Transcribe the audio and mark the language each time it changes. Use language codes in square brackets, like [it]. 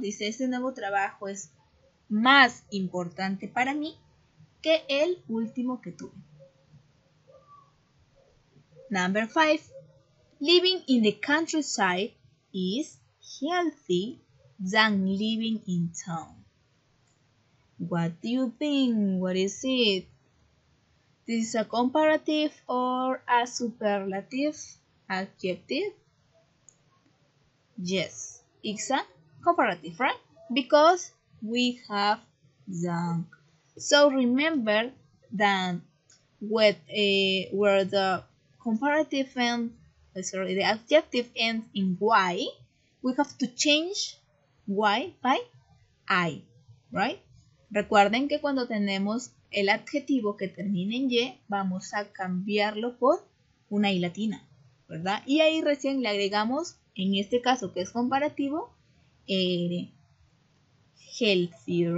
[es] Dice, este nuevo trabajo es más importante para mí que el último que tuve. [en] Number 5. Living in the countryside is healthy than living in town. What do you think? What is it? This is a comparative or a superlative adjective? Yes, it's a comparative, right? Because we have than. So remember that where the comparative end, sorry, the adjective ends in y, we have to change y by I, right? [es] Recuerden que cuando tenemos el adjetivo que termina en Y, vamos a cambiarlo por una I latina, ¿verdad? Y ahí recién le agregamos, en este caso que es comparativo, healthier.